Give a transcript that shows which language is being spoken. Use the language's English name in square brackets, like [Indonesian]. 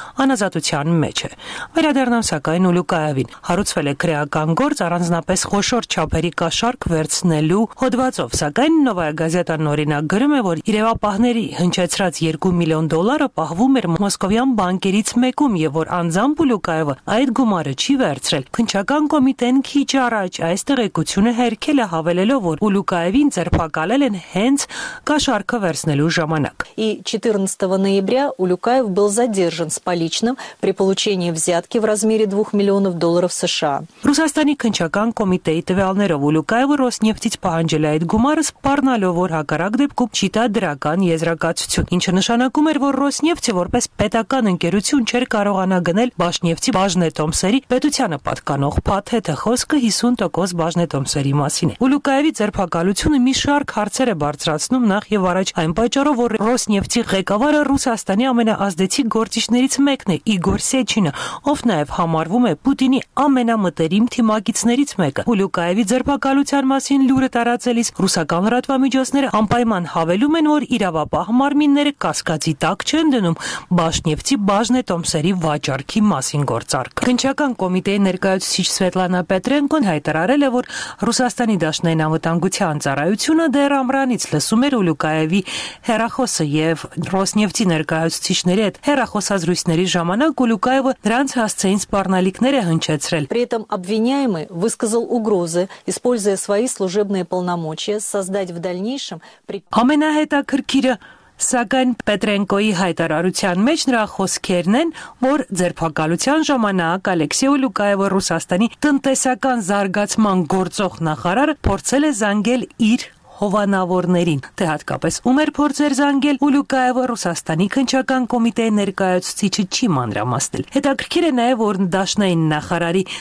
[Armenian] անազատության մեջ է։ Վերադառնամ սակայն Ուլյուկաևին, հարուցվել է քրեական գործ առանձնապես խոշոր չափերի կաշառք վերցնելու հոդվածով, սակայն Նովայա գազետան օրինակ գրում է, որ իրավապահների հնչեցրած 2 միլիոն դոլարը պահվում էր մոսկովյան բանկերից մեկում և որ անձամբ Ուլյուկաևը այդ գումարը չի վերցրել։ Քնչական կոմիտեն քիչ առաջ այս տեղեկությունը հերքել է, հավելելով, որ Ուլյուկաևին ձերբակալել են հենց կաշառքը վերցնելու ժամանակ։ [Russian] И 14 ноября Ուլյուկաև был задержан с поличным при получении взятки в размере 2 миллионов долларов США. [Armenian] Ռուսաստանի քնչական կոմիտեի տվյալներով Ուլյուկաևը Ռոսնեֆթից պահանջել է այդ գումարը, սպառնալով, որ հակառակ դեպքում չի տա դրական եզրակացություն, ինչը նշանակում էր, որ Ռոսնեֆթը որպես պետական ընկերություն չէր կարողանա գնել Բաշնեֆթի բաժնետոմսերի պետությանը պատկանող փաթեթը, խոսքը 50% բաժնետոմսերի մասին է։ Ուլյուկաևի ձերբակալությունը մի շարք հարցեր է բարձրացնում նախ եւ առաջ այն պատճառով, որ Ռոսնեֆթի ղեկավարը Ռուսաստանի ամենաազդեցիկ գործիչներից մեկն է, Իգոր Սեչինը, ով նաև համարվում է Պուտինի ամենամտերիմ թիմակիցներից մեկը։ Ուլյուկաևի ձերբակալության մասին լուրը տարածելիս ռուսական լրատվամիջոցները անպայման հավելում են, որ իրավապահ մարմինները կասկածի տակ չեն դնում Բաշնեֆթի բաժնետոմսերի վաճառքի մասին գործարքը։ Քնչական կոմիտեի ներկայացուցիչ Սվետլանա Պետրենկոն հայտարարել է, որ Ռուսաստանի դաշնային անվտանգության ծառայությունը դեռ ամռանից լսում էր Ուլյուկաևի հեռախոսը և Ռոսնեֆթի ներկայացուցիչների հետ հեռախոսազրույցների ժամանակ Ուլյուկաևը նրանց հասցեին սպառնալիքներ է հնչեցրել։ [Russian] При этом обвиняемый высказал угрозы, используя свои служебные полномочия, создать в дальнейшем [Armenian] Ամենահետաքրքիրը, սակայն Պետրենկոյի հայտարարության մեջ նրա խոսքերն են, որ ձերբակալության ժամանակ Ալեքսեյ Ուլյուկաևը Ռուսաստանի տնտեսական զարգացման գործող նախարարը փորձել է զանգել իր հովանավորներին, թե հատկապես ում էր փորձեր զանգել Ուլյուկաևը Ռուսաստանի քնչական կոմիտեի ներկայացուցիչը չի մանրամասնել։ Հետաքրքիր է նաև, որ դաշնային նախարարի